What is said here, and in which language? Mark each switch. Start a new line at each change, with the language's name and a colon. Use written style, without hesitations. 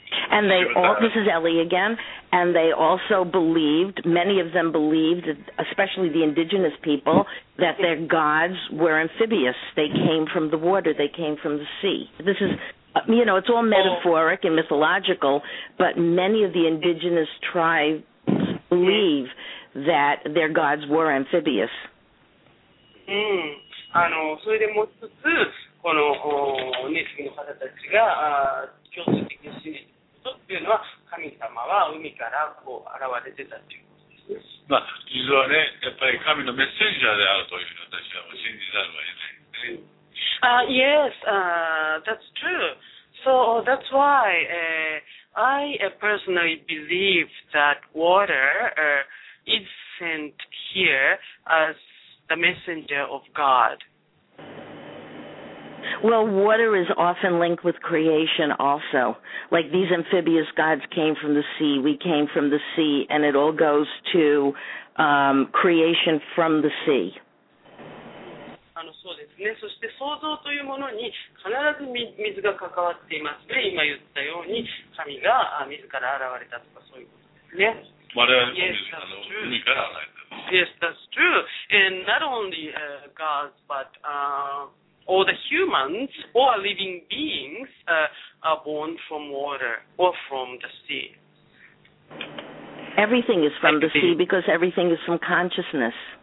English: And they all, this is Ellie again, and they also believed, many of them believed, especially the indigenous people, that their gods were amphibious. They came from the water. They came from the sea. This is, you know, it's all metaphoric and mythological, but many of the indigenous tribes believe that their gods were amphibious.
Japanese: それでもう一つ、このネイティブの方たちが共通的に信じていることというのは、神様は海からこう現れてたということですね。まあ、実はね、やっぱり神のメッセンジャーであるというふうに私は信じざるを得ないですね。
English: Yes, that's true. So that's why I personally believe that water is sent here as the messenger of God. Well, water is often linked with creation also. Like these amphibious gods came from the sea, we came from the sea, and it all goes to creation from the sea.
Japanese: そうですね。そして創造というものに必ず水が関わっていますね。今言ったように神が自ら現れたとかそういうことですね。
English: Yes, that's true. Yes, that's true. And not only gods, but all the humans or living beings are born from water or from the sea. Everything is from the sea because everything is from consciousness.